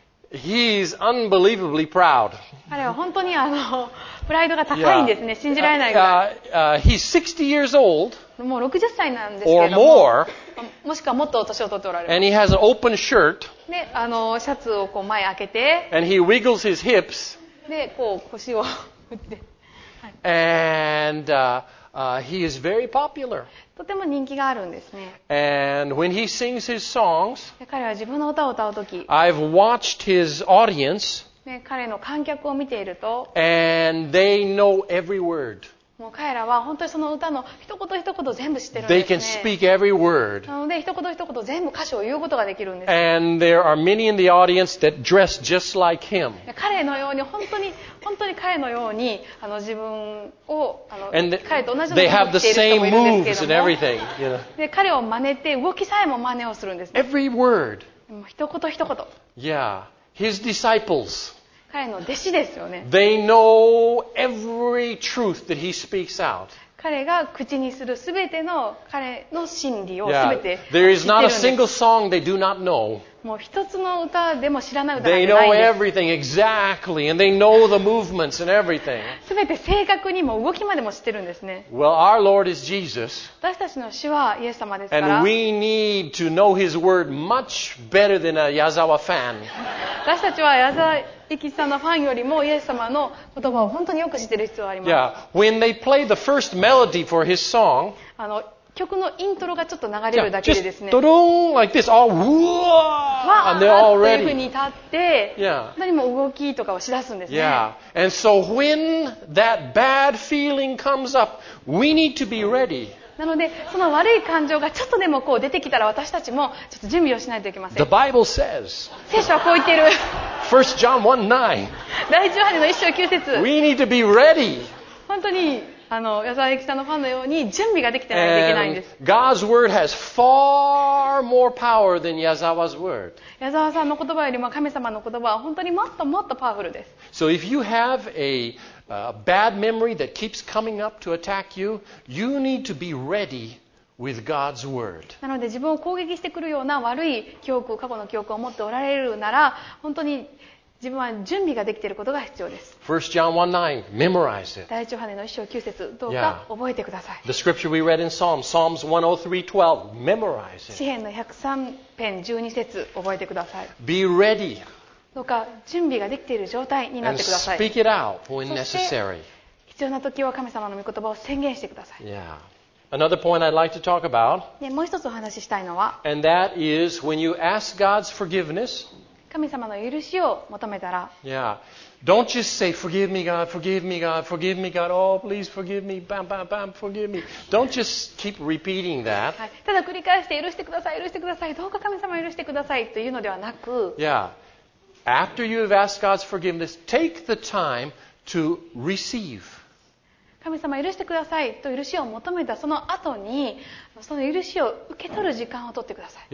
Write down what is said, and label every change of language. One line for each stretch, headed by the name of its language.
English: He's unbelievably proud.
Japanese: 彼は本当にプライドが高いんですね。
English: Yeah.
Japanese: 信じられないぐらい。
English: He's 60 years old.
Japanese: もう60歳なんですけども。
English: Or more.
Japanese: もしくはもっと年を取っておられる。
English: And he has an open shirt.
Japanese: で、シャツをこう前開けて。
English: And he wiggles his hips.
Japanese: で、こう腰を振って。
English: And he is very popular.
Japanese: とても人気があるんですね。
English: And when he sings his songs,
Japanese: 彼は自分の歌を歌うとき、
English: I've watched his audience,
Japanese: 彼の観客を見ていると、
English: And they know every word.
Japanese: もう彼らは本当にその歌の一言一言全部知ってるんですね。
English: They can speak every word.
Japanese: なので一言一言全部歌詞を言うことができるんです。
English: And there are many in the audience that dress just like him.
Japanese: 彼のように本当に彼のように自分を彼と同じように見ている人もいるんですけれども、で彼を真似て動きさえも真似をするんですね。
English: Every word.
Japanese: 一言一言。
English: Yeah, his disciples.
Japanese: 彼の弟子ですよね。
English: They know every truth that he speaks out.
Japanese: 彼が口にするすべての彼の真理をすべて知っているんです。
English: Yeah, there is not a single song they do not know.
Japanese: もう一つの歌でも知らない歌なんてないんです。
English: They know everything exactly, and they know the movements and everything.
Japanese: 全て正確にも動きまでも知ってるんですね。
English: Well, our Lord is Jesus.
Japanese: 私たちの主はイエス様ですから。
English: And we need to know His word much better than a Yazawa fan.
Japanese: 私たちは矢沢永吉さんのファンよりもイエス様の言葉を本当によく知ってる必要があります。
English: Yeah, when they play the first melody for His song.
Japanese: 曲のイントロがちょっと流れるだけでですね。
English: ドローン like this. Oh, wow! And they're all ready.
Japanese: というふうに立って、
English: yeah.
Japanese: 何も動きとかをし出すんですね。
English: Yeah. And so when that bad feeling comes up, we need to be ready.
Japanese: なので、その悪い感情がちょっとでもこう出てきたら私たちもちょっと準備をしないといけません。
English: The Bible says.
Japanese: 聖書はこう言ってる。
English: 1 John 1:9.
Japanese: 第一ヨハネの一章九節。
English: We need to be ready.
Japanese: 本当に。矢沢永吉さんのファンのように準備ができてないといけないんです。
English: God's word has far more power than Yazawa's word.
Japanese: 矢沢さんの言葉よりも神様の言葉は本当にもっともっとパワフルです。
English: So if you have a bad memory that keeps coming up to attack you, you need to be ready with God's word.
Japanese: なので自分を攻撃してくるような悪い記憶、過去の記憶を持っておられるなら、本当に自分は準備ができていることが必要です。
English: 1 John 1:9, memorize it.
Japanese: 第一ヨハネの一章九節、どうか覚えてください。
English: Yeah. The scripture we read in Psalms, Psalms 103:12, memorize it.
Japanese: 詩編の103篇12節、覚えてください。
English: Be ready.
Japanese: どうか準備ができている状態になってください。
English: And speak it out when necessary.
Japanese: 必要な時は神様の御言葉を宣言してください。
English: Yeah. Another point I'd like to talk about,
Japanese: もう一つお話ししたいのは、
English: and that is when you ask God's forgiveness,
Japanese: 神様の許しを求めたら、
English: yeah, don't just say, forgive me, God, forgive me, God, forgive me, God, oh, please forgive me, bam, bam, bam, forgive me. Don't just keep repeating that.
Japanese: ただ繰り返して許してください、許してください、どうか神様許してくださいというのではなく、
English: yeah, After you have asked God's forgiveness, take the time to receive.
Japanese: 神様、許してくださいと許しを求めたその後に、その許しを受け取る時間を取ってください。